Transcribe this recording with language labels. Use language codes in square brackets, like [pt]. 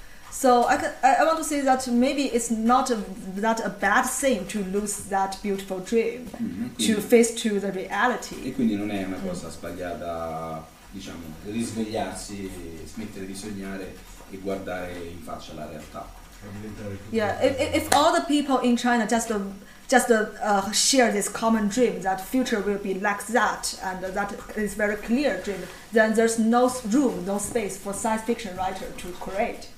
[en] So I want to say that maybe it's not that a bad thing to lose that beautiful dream, mm-hmm, to face to the reality. [it] E quindi non è una cosa sbagliata, diciamo, risvegliarsi, smettere di sognare e guardare in faccia la realtà. [en] Yeah, if all the people in China just share this common dream that future will be like that, and that is very clear dream, then there's no room, no space for science fiction writer to create.